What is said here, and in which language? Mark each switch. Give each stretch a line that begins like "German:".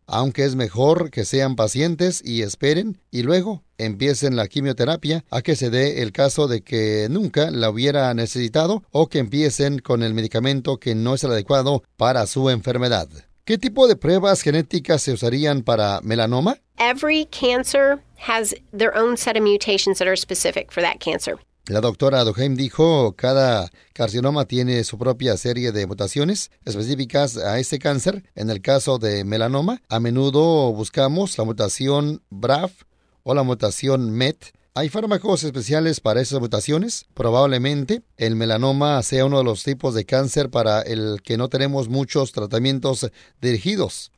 Spanish: Aunque es mejor que sean pacientes y esperen y luego empiecen la quimioterapia a que se dé el caso de que nunca la hubiera necesitado o que empiecen con el medicamento que no es el adecuado para su enfermedad. ¿Qué tipo de pruebas genéticas se usarían para melanoma?
English: Every cancer has their own set of mutations that are specific for that cancer.
Spanish: La doctora Duhaime dijo, cada carcinoma tiene su propia serie de mutaciones específicas a ese cáncer. En el caso de melanoma, a menudo buscamos la mutación BRAF o la mutación MET. ¿Hay fármacos especiales para esas mutaciones? Probablemente el melanoma sea uno de los tipos de cáncer para el que no tenemos muchos tratamientos dirigidos.